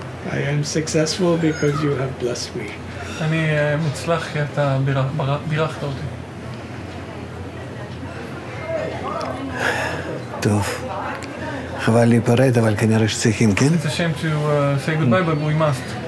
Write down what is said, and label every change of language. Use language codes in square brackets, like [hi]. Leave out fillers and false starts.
[en] I am successful because you have blessed me. [he] אני מוצלח כי אתה בירכת אותי. טוב. חבל להיפרד, אבל כנראה שצריכים, כן? [en] It's a shame to say goodbye, but we must.